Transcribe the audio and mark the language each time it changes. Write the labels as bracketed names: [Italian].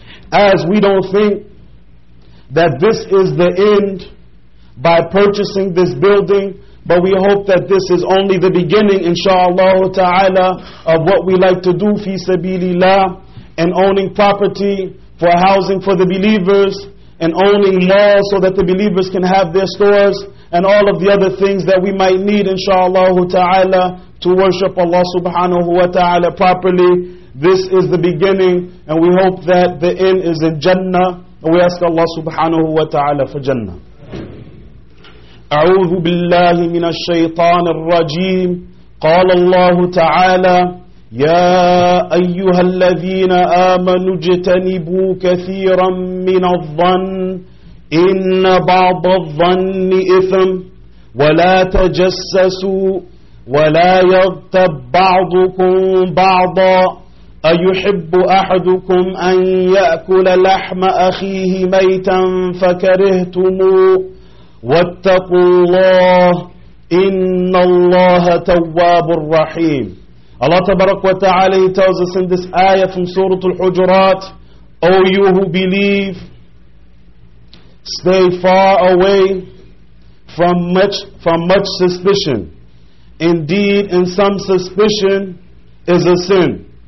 [English] As we don't think that this is the end by purchasing this building, but we hope that this is only the beginning, inshallah ta'ala, of what we like to do fi sabilillah, and owning property for housing for the believers, and owning malls so that the believers can have their stores, and all of the other things that we might need, inshallah ta'ala, to worship Allah subhanahu wa ta'ala properly. This is the beginning, and we hope that the end is in Jannah. And we ask Allah subhanahu wa ta'ala for Jannah. [Arabic] أعوذ بالله من الشيطان الرجيم قال الله تعالى يا أيها الذين آمنوا اجتنبوا كثيرا من الظن إن بعض الظن إثم ولا تجسسوا ولا يغتب بعضكم بعضا أيحب أحدكم أن يأكل لحم أخيه ميتا فكرهتموه وَاتَّقُوا اللَّهَ إِنَّ اللَّهَ تَوَّابُ الرَّحِيمُ. [English] Allah Tabarak wa Ta'ala, He tells us in this ayah from Surah Al-Hujurat, O you who believe, stay far away from much suspicion. Indeed, in some suspicion is a sin.